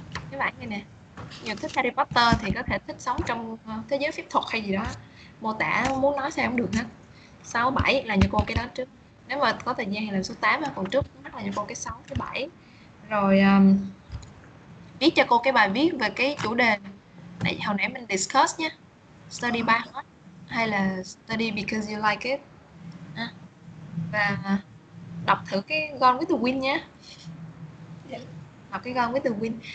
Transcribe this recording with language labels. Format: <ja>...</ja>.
<vi>Cái bạn này nè, nhiều thích Harry Potter thì có thể thích sống trong thế giới phép thuật hay gì đó, mô tả muốn nói sao cũng được hết. 6, 7 là như cô cái đó trước. Nếu mà có thời gian thì làm số 8 mà còn trước mắt là như cô cái 6, cái 7. Rồi viết cho cô cái bài viết về cái chủ đề này, hồi nãy mình discuss nhé.</vi> <en>Study by heart</en> <vi>hay là</vi> <en>study because you like it.</en> <vi>Và đọc thử cái Gone with the Wind nhé. Đọc cái Gone with the Wind.</vi>